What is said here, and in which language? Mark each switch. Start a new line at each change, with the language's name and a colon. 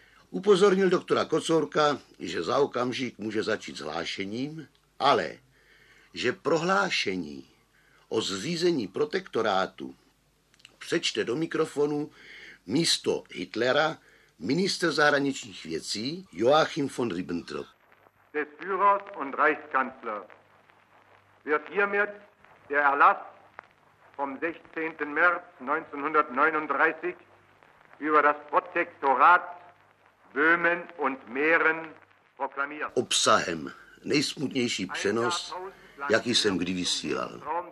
Czech: Upozornil doktora Kocourka, že za okamžik může začít s hlášením, ale že prohlášení o zřízení protektorátu přečte do mikrofonu místo Hitlera ministr zahraničních věcí Joachim von Ribbentrop.
German: Des Führers und Reichskanzler wird hiermit der Erlass vom 16. März 1939 über das Protektorat Böhmen und Mähren proklamiert.
Czech: Obsahem nejsmutnější přenos, jaký jsem kdy vysílal.